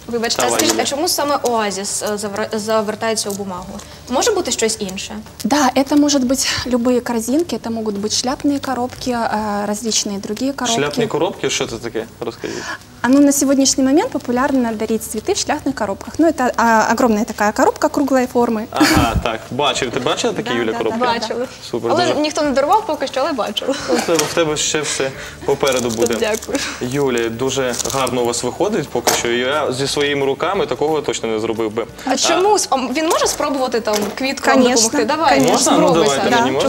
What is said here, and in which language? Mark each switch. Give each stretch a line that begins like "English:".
Ukrainian: Скажіть, а чому саме Оазис завертається у бумагу? Може бути щось інше?
Russian: Да, это может быть любые корзинки, это могут быть шляпные коробки, различные другие коробки. Шляпные коробки, что это такое? Расскажите. Оно на сегодняшний момент популярно дарить цветы в шляпных коробках. Ну, это огромная такая коробка круглой формы.
Ukrainian: Ага, так. Бачили.
Russian: Ты бачила такие, Юля, коробки?
Ukrainian: Да, бачила. Супер. Але ніхто не дарував поки що, але бачила. В тебе ще все попереду буде. Дякую. Юля, дуже гарно у вас виходить поки що. Я зі своїми руками такого точно не зробив би. А чому? Він може спробувати там квітку допомогти?
Russian: Давай, конечно.
Ukrainian: Можна? Ну, давайте. Да. Мені можна?